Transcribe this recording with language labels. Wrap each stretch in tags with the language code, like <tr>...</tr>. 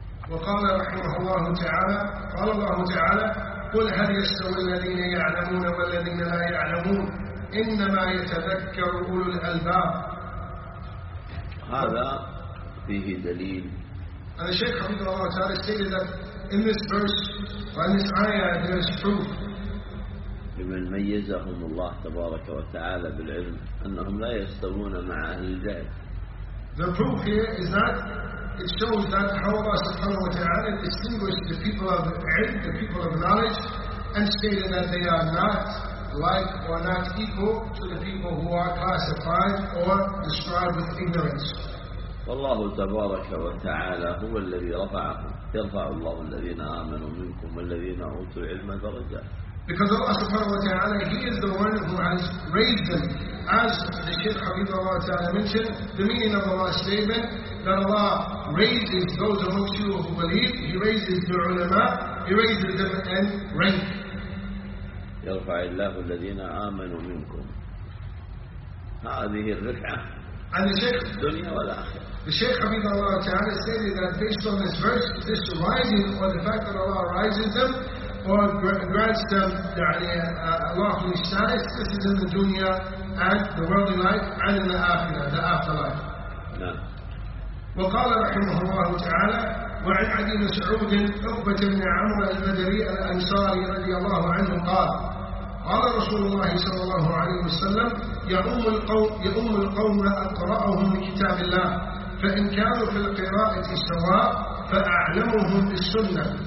<ar>وقال رحمه الله تعالى قال الله تعالى قل هل يستوي الذين يعلمون والذين لا يعلمون إنما يتذكر أولو الألباب. هذا فيه دليل.</ar> <en>And the Shaykh Hamid Allah Ta'ala stated that in this verse or in this ayah there is proof.</en> <ar>لمن ميزهم الله تبارك وتعالى بالعلم أنهم لا يستوون مع أهل الجهل.</ar> <en>The proof here is that it shows that how Allah subhanahu wa ta'ala distinguished the people of ilm, the people of knowledge, and stated that they are not like or not equal to the people who are classified or described with ignorance.</en> <ar>والله تبارك وتعالى هو الذي رفعهم يرفع الله الذين آمنوا منكم والذين أوتوا العلم درجة.</ar> <en>Because Allah subhanahu wa ta'ala, He is the one who has raised them. As the Shaykh Habib Allah ta'ala mentioned, the meaning of Allah's statement, that Allah raises those amongst you who believe, He raises the ulama, He raises them in rank.</en> <ar>يرفع الله الذين آمنوا منكم. هذه الرفعة.</ar> <en>And the Shaykh,</en> <ar>الدنيا والآخرة.</ar> <en>The Shaykh Habib Allah ta'ala stated that based on this verse, this rising, or the fact that Allah rises them, or grants them the lofty status, this is in the dunya and the worldly life and in the akhirah, the afterlife.</en> <ar>وقال رحمه الله تعالى وعن عدي مسعود عقبة بن عمرو البدري الأنصاري رضي الله عنه قال قال رسول الله صلى الله عليه وسلم يؤم القوم أقرأهم بكتاب الله فإن كانوا في القراءة سواء فأعلمهم بالسنة</ar>